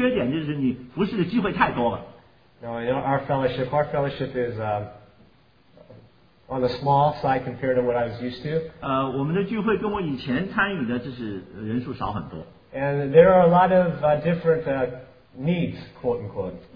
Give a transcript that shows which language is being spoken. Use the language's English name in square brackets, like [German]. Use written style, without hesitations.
[Chinese] 在这个小的聚会里面的缺点就是你服侍的机会太多了。 [English] No, you know, our fellowship is on the small side compared to what I was used to. [Chinese] 我们的聚会跟我以前参与的就是人数少很多。 [English] And there are a lot of different needs, quote unquote.